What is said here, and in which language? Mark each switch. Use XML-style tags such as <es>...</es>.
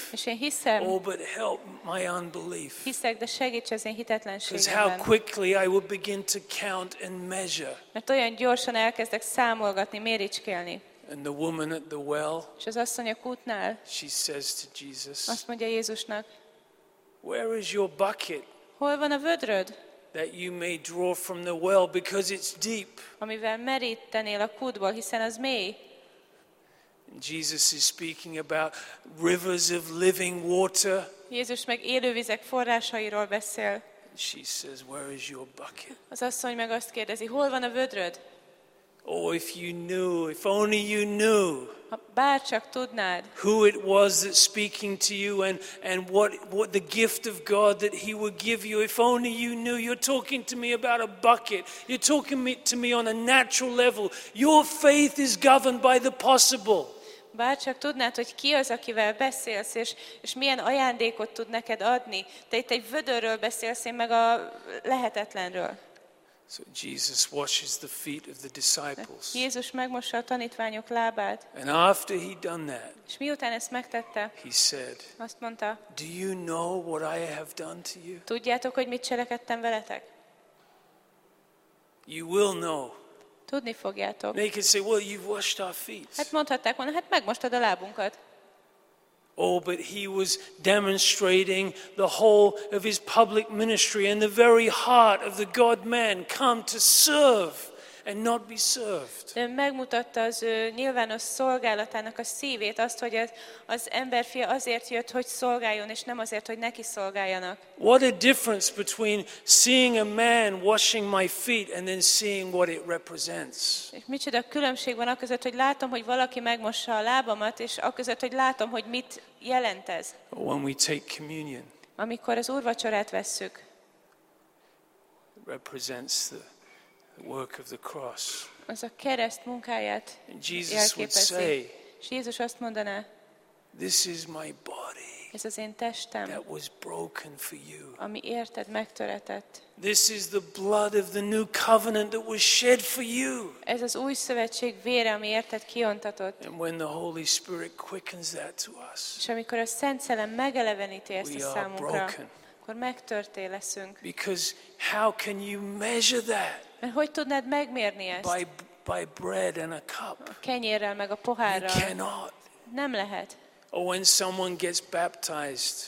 <hu>És én hiszem.</hu> <en>Oh, but help my unbelief.</en> <hu>Hiszek, de segíts az én hitetlenségemben.</hu> <en>Because how quickly I will begin to count and measure.</en> <hu>Mert olyan gyorsan elkezdek számolgatni, méricskélni.</hu> <en>And the woman at the well.</en> <hu>És az asszony a kútnál.</hu> <en>She says to Jesus.</en> <hu>Azt mondja Jézusnak.</hu> <en>Where is your bucket?</en> <hu>Hol van a vödröd?</hu> <en>That you may draw from the well, because it's deep.</en> <hu>Amivel merítenél a kútból, hiszen az mély.</hu> <en>Jesus is speaking about rivers of living water.</en> <hu>Jézus meg élővizek forrásairól beszél.</hu> <en>She says, "Where is your bucket?"</en> <hu>Az asszony meg azt kérdezi, hol van a vödröd?</hu> <en>Oh, if you knew, if only you knew.</en> <hu>Ha bár csak tudnád.</hu> <en>Who it was that speaking to you, and what the gift of God that he would give you, if only you knew. You're talking to me about a bucket. You're talking to me on a natural level. Your faith is governed by the possible.</en> <hu>Bár csak tudnád, hogy ki az, akivel beszélsz, és milyen ajándékot tud neked adni. Te itt egy vödörről beszélsz, én meg a lehetetlenről.</hu> <en>So Jesus washes the feet of the disciples.</en> <hu>Jézus megmossa a tanítványok lábát.</hu> <en>And after he'd done that,</en> <hu>és miután ezt megtette,</hu> <en>he said,</en> <hu>azt mondta,</hu> <en>do you know what I have done to you?</en> <hu>Tudjátok, hogy mit cselekedtem veletek?</hu> <en>You will know.</en> <hu>Tudni fogjátok.</hu> <en>They could say, well, you've washed our feet.</en> <hu>Hát mondhatták volna, hát megmostad a lábunkat.</hu> <en>Oh, but he was demonstrating the whole of his public ministry and the very heart of the God-man, come to serve and not be served.</en> <hu>De megmutatta az ő nyilvános szolgálatának a szívét, azt, hogy az emberfia azért jött, hogy szolgáljon, és nem azért, hogy neki szolgáljanak.</hu> <en>What a difference between seeing a man washing my feet and then seeing what it represents.</en> <hu>És micsoda különbség van aközött, hogy látom, hogy valaki megmossa a lábamat, és aközött, hogy látom, hogy mit jelent ez.</hu> <en>When we take communion.</en> <hu>Amikor az úrvacsorát vesszük.</hu> <en>Represents the work of the cross.</en> <hu>Az a kereszt munkáját jelképezi. És Jézus azt mondaná,</hu> <en>this is my body.</en> <hu>Ez az én testem.</hu> <en>That was broken for you.</en> <hu>Ami érted megtöretett.</hu> <en>This is the blood of the new covenant that was shed for you.</en> <hu>Ez az új szövetség vére, ami érted kiontatott.</hu> <en>And when the Holy Spirit quickens that to us.</en> <hu>És amikor a Szent Szellem megeleveníti ezt a számunkra, akkor megtörté leszünk.</hu> <en>Because how can you measure that?</en> <hu>Mert hogy tudnád megmérni ezt?</hu> <en>By bread and a cup.</en> <hu>A kenyérrel meg a pohárral.</hu> <en>You cannot.</en> <hu>Nem lehet.</hu> <en>Or when someone gets baptized.</en>